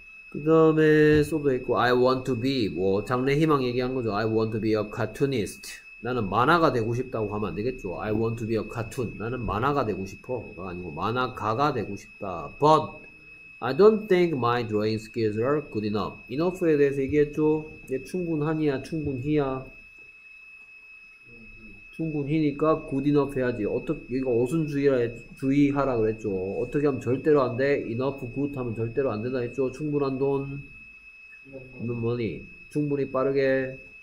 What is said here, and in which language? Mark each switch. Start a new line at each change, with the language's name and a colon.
Korean: 그 다음에 써도 있고 I want to be 뭐 장래 희망 얘기한 거죠.
English: I want to be a cartoonist.
Korean: 나는 만화가 되고 싶다고 하면 안 되겠죠.
English: I want to be a cartoon.
Korean: 나는 만화가 되고 싶어가 아니고 만화가가 되고 싶다.
English: But I don't think my drawing skills are good enough.
Korean: Enough에 대해서 얘기했죠. 예, 충분하니야, 충분히야. 충분히니까 good enough 해야지. 어떻게 이거 어순주의라 주의하라 그랬죠. 어떻게 하면 절대로 안 돼. Enough good 하면 절대로 안 된다 했죠. 충분한 돈,
English: enough money,
Korean: 충분히 빠르게.